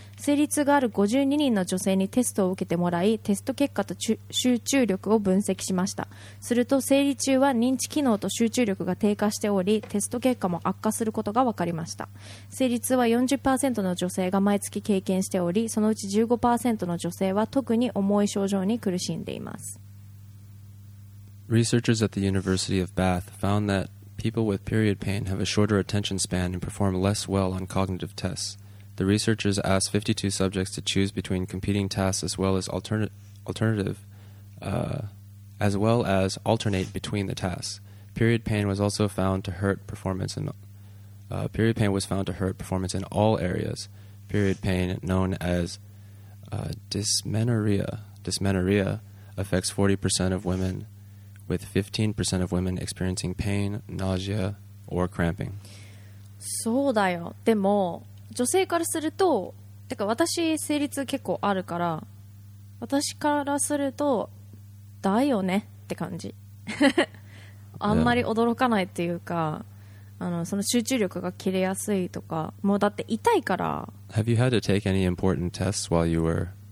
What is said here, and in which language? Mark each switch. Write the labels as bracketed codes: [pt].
[ja] 生理痛がある52人の女性にテストを受けてもらい、テスト結果と集中力を分析しました。すると、生理中は認知機能と集中力が低下しており、テスト結果も悪化することが分かりました。生理痛は 40% の女性が毎月経験しており、そのうち 15% の女性は特に重い症状に苦しんでいます。 [en] Researchers at the University of Bath found that people with period pain have a shorter attention span and perform less well on cognitive tests. The researchers asked 52 subjects to choose between competing tasks as well as alternate between the tasks. Period pain was also found to hurt performance in, period pain was found to hurt performance in all areas. Period pain, known as dysmenorrhea, affects 40% of women. With 15% of women experiencing pain, nausea, or cramping. [ja] そうだよ。でも女性からすると、てか私生理痛結構あるから、私からするとだよねって感じ。あんまり驚かないっていうか、あのその集中力が切れやすいとか、もうだって痛いから。 [en] Have you had to take any important tests while you were?